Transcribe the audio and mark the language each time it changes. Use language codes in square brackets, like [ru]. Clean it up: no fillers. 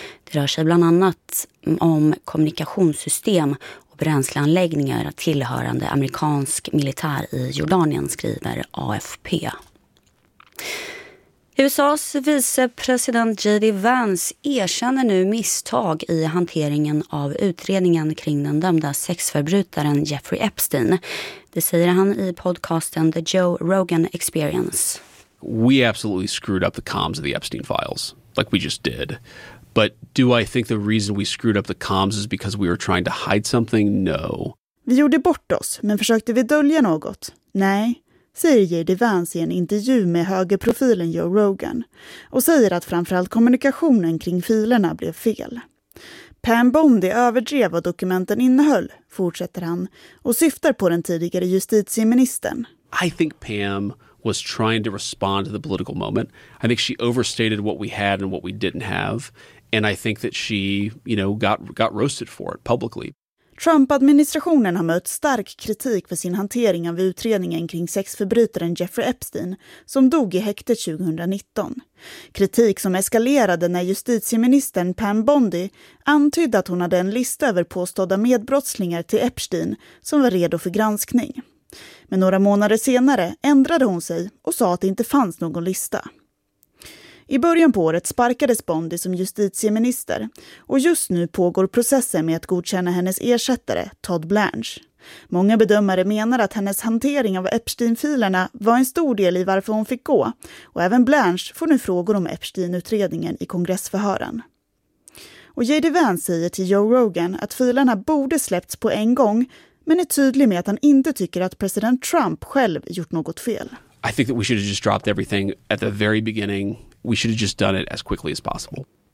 [sv] Det rör sig bland annat om kommunikationssystem och bränsleanläggningar tillhörande amerikansk militär i Jordanien, skriver AFP. USAs vicepresident J.D. Vance erkänner nu misstag i hanteringen av utredningen kring den dömda sexförbrytaren Jeffrey Epstein. Det säger han i podcasten The Joe Rogan Experience. [en] We absolutely screwed up the comms of the Epstein files, like we just did. But do I think the reason we screwed up the comms is because we were trying to hide something? No. [sv] Vi gjorde bort oss, men försökte vi dölja något? Nej, säger J.D. Vance i en intervju med högerprofilen Joe Rogan och säger att framförallt kommunikationen kring filerna blev fel. Pam Bondi överdrev vad dokumenten innehöll, fortsätter han, och syftar på den tidigare justitieministern. [en] I think Pam was trying to respond to the political moment. I think she overstated what we had and what we didn't have, and I think that she, you know, got roasted for it publicly. [sv] Trump-administrationen har mött stark kritik för sin hantering av utredningen kring sexförbrytaren Jeffrey Epstein som dog i häktet 2019. Kritik som eskalerade när justitieministern Pam Bondi antydde att hon hade en lista över påstådda medbrottslingar till Epstein som var redo för granskning. Men några månader senare ändrade hon sig och sa att det inte fanns någon lista. I början på året sparkades Bondi som justitieminister och just nu pågår processen med att godkänna hennes ersättare, Todd Blanche. Många bedömare menar att hennes hantering av Epstein-filerna var en stor del i varför hon fick gå och även Blanche får nu frågor om Epstein-utredningen i kongressförhören. Och J.D. Vance säger till Joe Rogan att filerna borde släppts på en gång men är tydlig med att han inte tycker att president Trump själv gjort något fel. [en] I think that we should have just dropped everything at the very beginning. We should have just done it as quickly as possible.